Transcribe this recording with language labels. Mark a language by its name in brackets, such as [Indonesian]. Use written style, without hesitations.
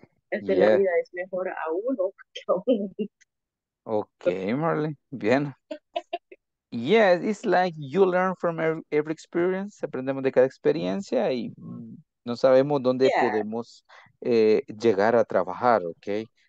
[Spanish] Es de la vida, es mejor a uno que a un. Okay, Marley, bien. [English] Yeah, it's like you learn from every experience. [Spanish] Aprendemos de cada experiencia y no sabemos dónde podemos llegar a trabajar, okay?